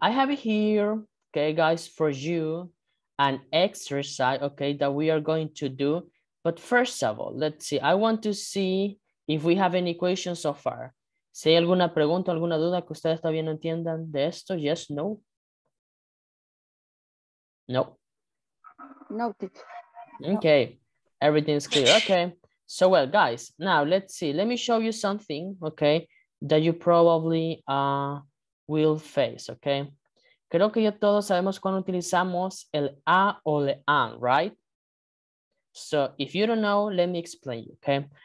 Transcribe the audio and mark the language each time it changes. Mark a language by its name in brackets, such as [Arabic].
[English] I have here, okay, guys, for you an exercise, okay, that we are going to do. But first of all, let's see. I want to see if we have any questions so far. [Spanish] Si hay alguna pregunta, alguna duda que ustedes todavía no entiendan de esto, yes, no? No. No. [English] Okay. Everything is clear. Okay. So, well, guys, now let's see. Let me show you something, okay, that you probably will face, okay? [Spanish] Creo que ya todos sabemos cuando utilizamos el a o le an, right? [English] So, if you don't know, let me explain you, okay?